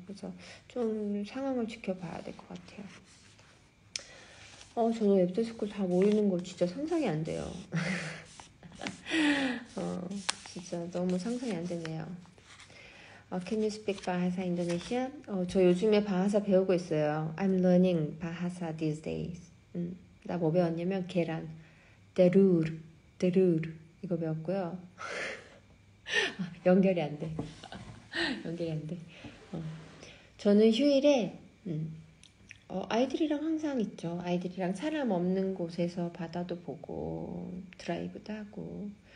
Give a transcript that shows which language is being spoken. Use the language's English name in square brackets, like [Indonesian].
[Korean] 그래서 좀 상황을 지켜봐야 될것 같아요. 저도 앱스쿨 다 모르는 거 진짜 상상이 안 돼요. 진짜 너무 상상이 안 되네요. [English] Can you speak Bahasa Indonesian? [Korean] 저 요즘에 바하사 배우고 있어요. [English] I'm learning Bahasa these days. [Korean] 나뭐 배웠냐면 계란, 데루르, 데루르 이거 배웠고요. 연결이 안 돼. 연결이 안 돼. 저는 휴일에 아이들이랑 항상 있죠. 아이들이랑 사람 없는 곳에서 바다도 보고 드라이브도 하고.